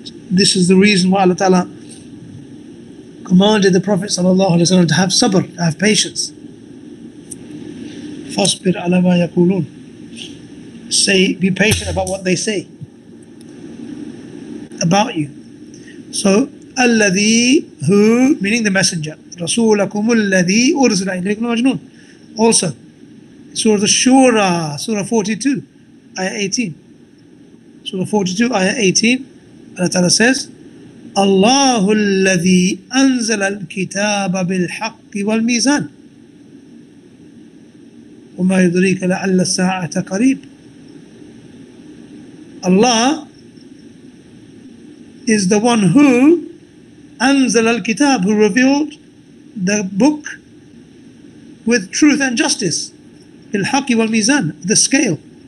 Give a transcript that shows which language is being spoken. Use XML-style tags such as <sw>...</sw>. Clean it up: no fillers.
<en>This is the reason why Allah Ta'ala commanded the Prophet sallallahu alayhi wa sallam to have sabr, to have patience.</en> <ar>فَاصْبِرْ عَلَى مَا يَقُولُونَ.</ar> <en>Say, be patient about what they say about you. So, الذي, who, meaning the messenger.</en> <ar>رسولكم الذي أرسل إليكم المجنون.</ar> <en>Also, Surah Ash-Shura, Surah 42, Ayah 18. Surah 42, Ayah 18, Allah Ta'ala says,</en> <ar>الله الذي أنزل الكتاب بالحق والميزان وما يدريك لعل الساعة قريب.</ar> <en>Allah is the one who Anzal al-Kitab, who revealed the book with truth and justice. Bil-haqi wal-mizan, the scale.</en>